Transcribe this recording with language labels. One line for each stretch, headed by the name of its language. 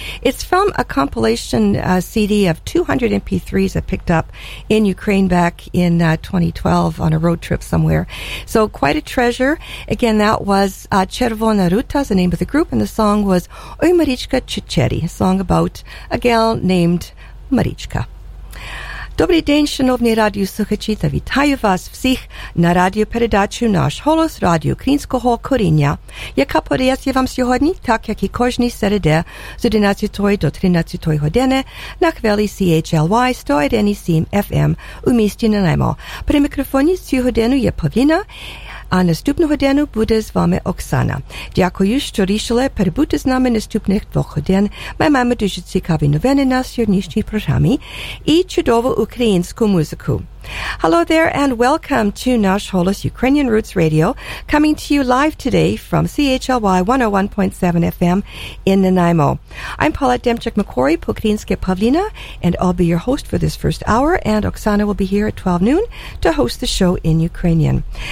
English: It's from a compilation CD of 200 MP3s I picked up in Ukraine back in 2012 on a road trip somewhere. So quite a treasure. Again, that was Chervona Ruta, is the name of the group, and the song was Oy Marichka Chicheri, a song about a gal named Marichka.
Ukrainian: Добрий день, шановні радіослухачі, та вітаю вас всіх на радіопередачу «Наш голос» радіо українського коріння, яка подається вам сьогодні, так як і кожні середи з 11 до 13 години на хвилі CHLY 101.7 FM у місті Нанаймо. При мікрофоні цю годину є Павліна, а наступну годину буде з вами Оксана. Дякую, що рішили перебути з нами наступних двох годин. Ми маємо дуже цікаві новини на сьогоднішній програмі і чудову українську музику.
English: Hello there, and welcome to Nash Holos Ukrainian Roots Radio, coming to you live today from CHLY 101.7 FM in Nanaimo. I'm Paulette Demchuk-McCory, Pokrinske Pavlina, and I'll be your host for this first hour, and Oksana will be here at 12 noon to host the show in Ukrainian.